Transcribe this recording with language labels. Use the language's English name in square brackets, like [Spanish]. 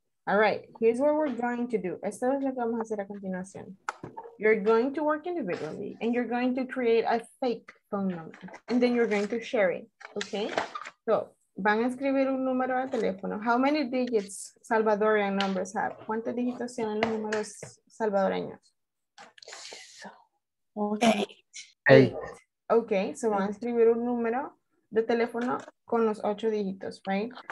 [English] All right, here's what we're going to do. [Spanish] Esto es lo que vamos a hacer a continuación. [English] You're going to work individually and you're going to create a fake phone number and then you're going to share it, okay? [Spanish] So, van a escribir un número de teléfono. [English] How many digits Salvadorian numbers have? [Spanish] ¿Cuántas dígitos tienen los números salvadoreños? [English] Eight. [Spanish] Okay, so van a escribir un número de teléfono con los 8 dígitos, right?